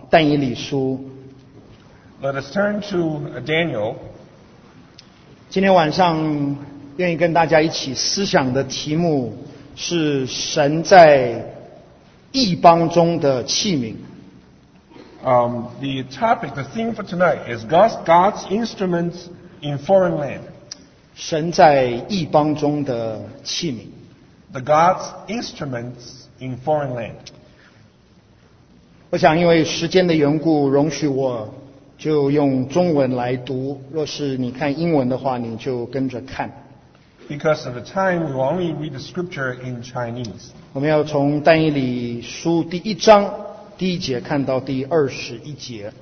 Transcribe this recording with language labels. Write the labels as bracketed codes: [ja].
[zh] 我们一起翻开神的话，但以理书。 [en] Let us turn to Daniel. [zh] 今天晚上。愿意跟大家一起思想的题目是神在异邦中的器皿。 [en] The topic, the theme for tonight is God's instruments in foreign land. [zh] 神在异邦中的器皿。 [en] The God's instruments in foreign land. [zh] 我想因为时间的缘故，容许我就用中文来读。若是你看英文的话，你就跟着看。 [en] Because of the time, we will only read the scripture in Chinese. [zh] 我们要从但以理书第一章第一节看到第二十一节。